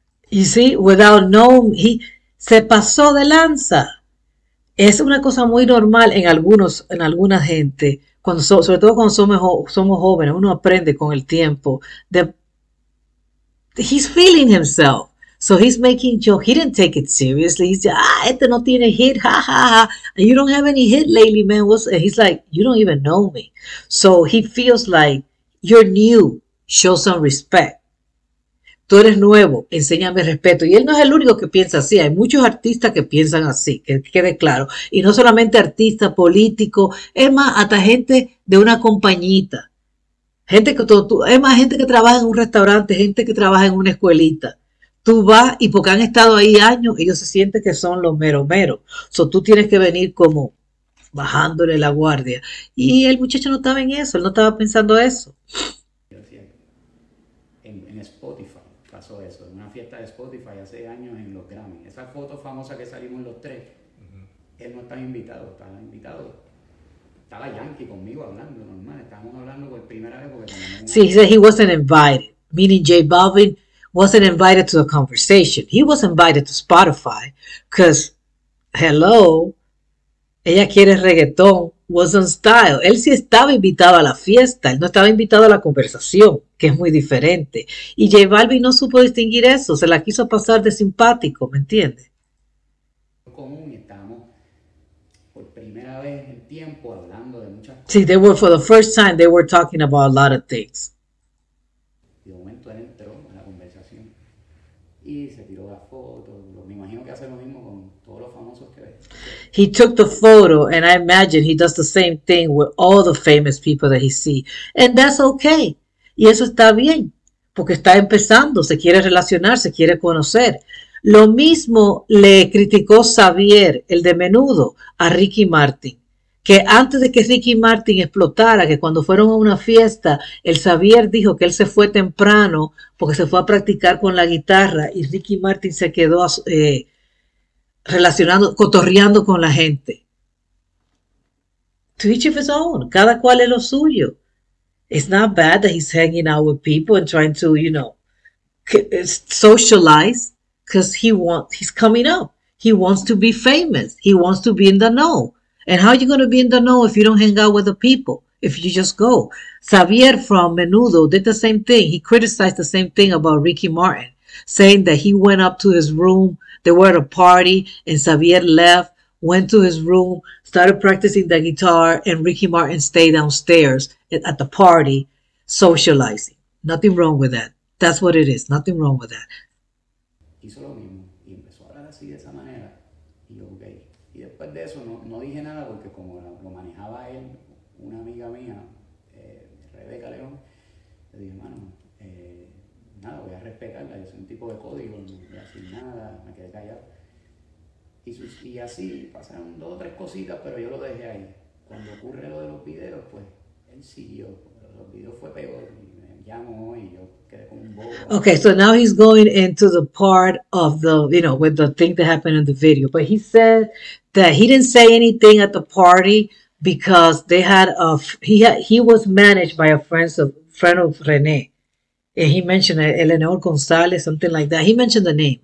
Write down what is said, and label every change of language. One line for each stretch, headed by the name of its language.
Spanish: Y sí,
English: without knowing, he
Spanish: se pasó de lanza. Es una cosa muy normal en algunos, en alguna gente, cuando sobre todo cuando somos jóvenes, uno aprende con el tiempo.
English: He's feeling himself. So he's making jokes. He didn't take it seriously. He's like,
Spanish: ah, este no tiene hit,
English: ha, ha, ha. And you don't have any hit lately, man. What's, and he's like, you don't even know me. So he feels like, you're new. Show some respect.
Spanish: Tú eres nuevo, enséñame respeto. Y él no es el único que piensa así. Hay muchos artistas que piensan así, que quede claro. Y no solamente artistas, políticos. Es más, hasta gente de una compañita. Gente que es más, gente que trabaja en un restaurante, gente que trabaja en una escuelita. Tú vas y porque han estado ahí años, ellos se sienten que son los mero mero. So tú tienes que venir como bajándole la guardia. Y el muchacho no estaba en eso, él no estaba pensando eso. En Spotify. Pasó eso, en una fiesta de Spotify hace años en los Grammys. Esa foto famosa que salimos los tres, uh-huh. Él no estaba invitado, estaba invitado. Estaba Yankee conmigo hablando, normal. Estábamos hablando por primera vez porque...
English: Sí, he said he wasn't invited. Meaning J Balvin wasn't invited to the conversation. He was invited to Spotify. Because, hello,
Spanish: ella quiere reggaetón.
English: Was on style.
Spanish: Él sí estaba invitado a la fiesta, él no estaba invitado a la conversación, que es muy diferente. Y J Balvin no supo distinguir eso, se la quiso pasar de simpático, ¿me entiendes? Común y estábamos por primera vez en tiempo hablando de muchas cosas. Sí,
English: they were for the first time they were talking about a lot of things.
Spanish: De momento él entró en la conversación y se tiró la foto. Me imagino que hace lo mismo con todos los famosos que ve.
English: He took the photo, and I imagine he does the same thing with all the famous people that he sees. And that's okay.
Spanish: Y eso está bien, porque está empezando, se quiere relacionar, se quiere conocer. Lo mismo le criticó Xavier, el de Menudo, a Ricky Martin. Que antes de que Ricky Martin explotara, que cuando fueron a una fiesta, el Xavier dijo que él se fue temprano porque se fue a practicar con la guitarra y Ricky Martin se quedó relacionando, cotorreando con la gente.
English: To each of his own.
Spanish: Cada cual es lo suyo.
English: It's not bad that he's hanging out with people and trying to, you know, socialize because he's coming up. He wants to be famous. He wants to be in the know. And how are you going to be in the know if you don't hang out with the people? If you just go. Xavier from Menudo did the same thing. He criticized the same thing about Ricky Martin, saying that he went up to his room. They were at a party and Xavier left, went to his room, started practicing the guitar, and Ricky Martin stayed downstairs at the party socializing. Nothing wrong with that. That's what it is. Nothing wrong with that.
Spanish: Hizo lo mismo y empezó a hablar así de esa manera. Y yo, okay. Y después de eso no dije nada porque como lo manejaba él, una amiga mía, Rebeca León, le dije, hermano, nada, voy a respetarla, es un tipo de código, no voy a decir nada, me quedé callado. Y así pasaron dos o tres cositas, pero yo lo dejé ahí. Cuando ocurre lo de los videos, pues él siguió, pero los videos fue peor. Y me llamó y yo quedé con un bobo.
English: Okay, so now he's going into the part of the, you know, with the thing that happened in the video. But he said that he didn't say anything at the party because they had he was managed by a friend of René. And he mentioned Eleanor González, something like that. He mentioned the name.